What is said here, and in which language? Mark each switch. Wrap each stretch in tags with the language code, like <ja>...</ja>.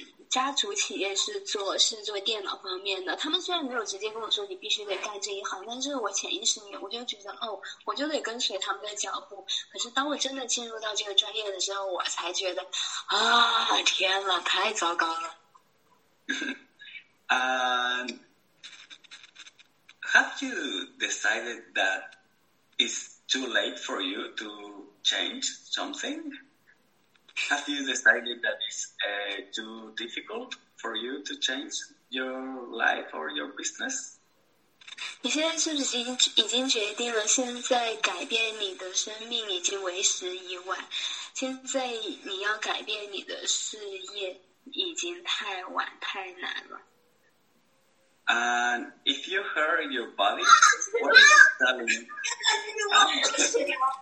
<zh>家族企业是做电脑方面的，他们虽然没有直接跟我说你必须得干这一行，但是我潜意识里面我就觉得，哦，我就得跟随他们的脚步。可是当我真的进入到这个专业的时候，我才觉得，啊，天哪，太糟糕了。</zh> <en>Have you decided that it's too late for you to change something? Have you decided that it's too difficult for you to change your life or your business?</en> <zh>你现在是不是已经决定了，现在改变你的生命已经为时已晚，现在你要改变你的事业已经太晚太难了。</zh> <en>And if you hurt your body, what is telling you?</en>